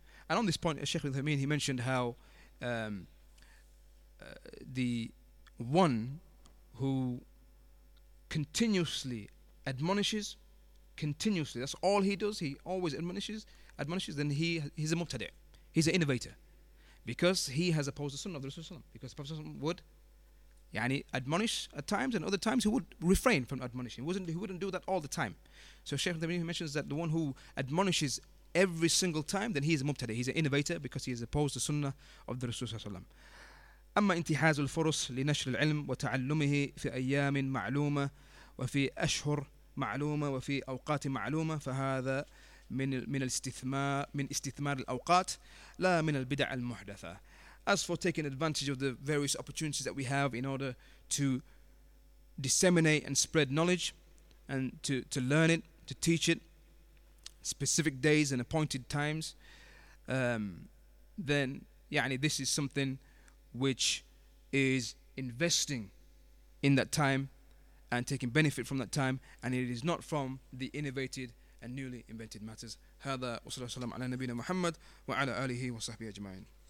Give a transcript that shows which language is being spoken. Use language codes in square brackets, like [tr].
[en] And on this point, Sheikh Ibn Thamin, he mentioned how the one who continuously admonishes, that's all he does, he always admonishes, then he's a mubtadi', he's an innovator, because he has opposed the Sunnah of the Rasulullah, because the Prophet would admonish at times, and other times he would refrain from admonishing. He wouldn't do that all the time. So Sheikh Ibn Thamin mentions that the one who admonishes every single time, then he is a mubtadi', he's an innovator, because he has opposed the Sunnah of the Rasulullah. [ar] أما انتهاز الفرص لنشر العلم وتعلمه في أيام معلومة وفي أشهر معلومة وفي أوقات معلومة فهذا من استثمار الأوقات لا من البدع المحدثة. [en] As for taking advantage of the various opportunities that we have in order to disseminate and spread knowledge and to learn it, to teach it, specific days and appointed times, then this is something which is investing in that time and taking benefit from that time, and it is not from the innovated and newly invented matters. [ar] هذا وصلى الله على نبينا محمد وعلى آله وصحبه أجمعين.